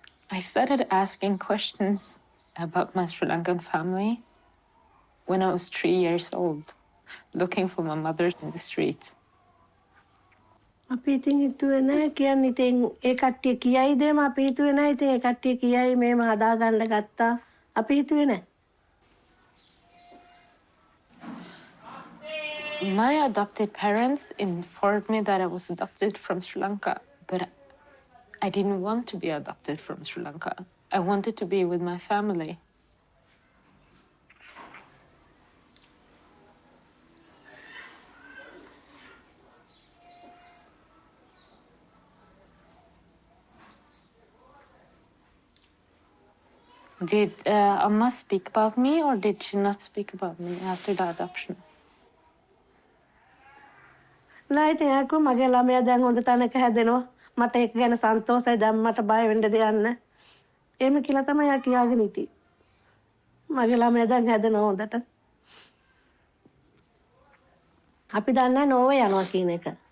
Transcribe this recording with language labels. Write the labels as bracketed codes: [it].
[en] I started asking questions about my Sri Lankan family when I was 3 years old, looking for my mother in the street. [si] අපි ඉතින් හිතුවේ නැහැ කියන්නේ ඉතින් ඒ කට්ටිය කියයිද මම අපි හිතුවේ නැහැ ඉතින් ඒ කට්ටිය කියයි මේම හදා ගන්න ගත්තා අපි හිතුවේ නැහැ. [en] My adopted parents informed me that I was adopted from Sri Lanka, but I didn't want to be adopted from Sri Lanka. I wanted to be with my family. Did Amma speak about me or did she not speak about me after the adoption? [si] නැයිද යකො මගේ ළමයා දැන් හොඳ තැනක හැදෙනවා. මට ඒක ගැන සන්තෝෂයි. දැන් මට බය වෙන්න දෙයක් නැහැ. එහෙම කියලා තමයි යා කියාගෙන ඉති. මගේ ළමයා දැන් හැදෙනවා හොඳට. අපි දන්නේ නෝවේ යනවා කියන එක.